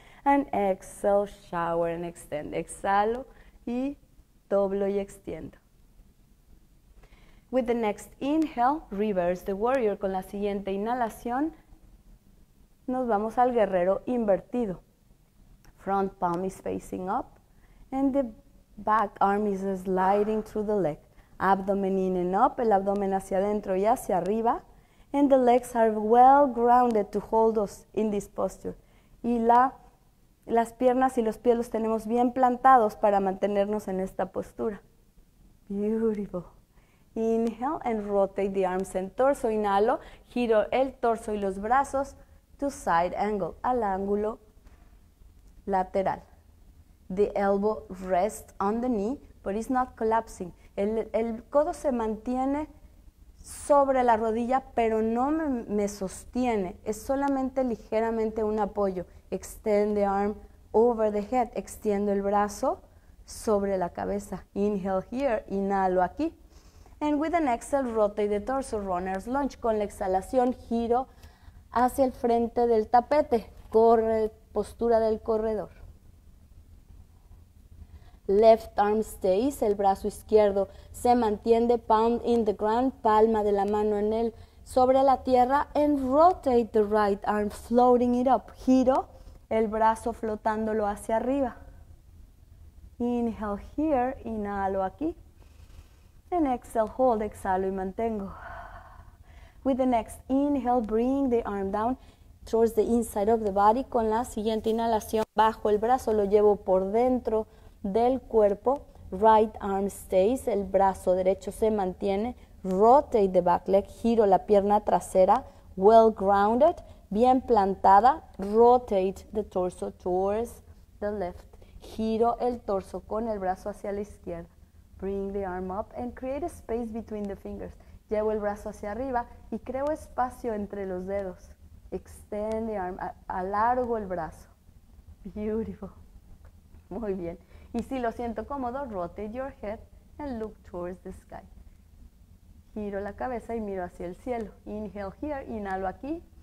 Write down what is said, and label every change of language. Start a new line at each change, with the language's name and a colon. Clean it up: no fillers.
English: And exhale, shower and extend.
Spanish: Exhalo y doblo y extiendo.
English: With the next inhale, reverse the warrior.
Spanish: Con la siguiente inhalación, nos vamos al guerrero invertido.
English: Front palm is facing up, and the back arm is sliding through the leg. Abdomen in and up,
Spanish: el abdomen hacia adentro y hacia arriba.
English: And the legs are well grounded to hold us in this posture.
Spanish: Y las piernas y los pies los tenemos bien plantados para mantenernos en esta postura.
English: Beautiful. Inhale and rotate the arms and torso.
Spanish: Inhalo, giro el torso y los brazos
English: to side angle,
Spanish: al ángulo lateral.
English: The elbow rests on the knee, but it's not collapsing.
Spanish: El codo se mantiene sobre la rodilla, pero no me sostiene. Es solamente ligeramente un apoyo.
English: Extend the arm over the head.
Spanish: Extiendo el brazo sobre la cabeza.
English: Inhale here,
Spanish: inhalo aquí.
English: And with an exhale, rotate the torso, runner's lunge.
Spanish: Con la exhalación, giro hacia el frente del tapete. Corre postura del corredor.
English: Left arm stays,
Spanish: el brazo izquierdo se mantiene,
English: palm in the ground,
Spanish: palma de la mano en el sobre la tierra,
English: and rotate the right arm, floating it up,
Spanish: giro el brazo flotándolo hacia arriba.
English: Inhale here,
Spanish: inhalo aquí,
English: and exhale, hold,
Spanish: exhalo y mantengo.
English: With the next inhale, bring the arm down towards the inside of the body.
Spanish: Con la siguiente inhalación, bajo el brazo, lo llevo por dentro del cuerpo.
English: Right arm stays,
Spanish: el brazo derecho se mantiene.
English: Rotate the back leg,
Spanish: giro la pierna trasera.
English: Well grounded,
Spanish: bien plantada.
English: Rotate the torso towards the left.
Spanish: Giro el torso con el brazo hacia la izquierda.
English: Bring the arm up and create a space between the fingers.
Spanish: Llevo el brazo hacia arriba y creo espacio entre los dedos.
English: Extend the arm,
Spanish: alargo el brazo.
English: Beautiful.
Spanish: Muy bien. Y si lo siento cómodo,
English: rotate your head and look towards the sky.
Spanish: Giro la cabeza y miro hacia el cielo.
English: Inhale here,
Spanish: inhalo aquí.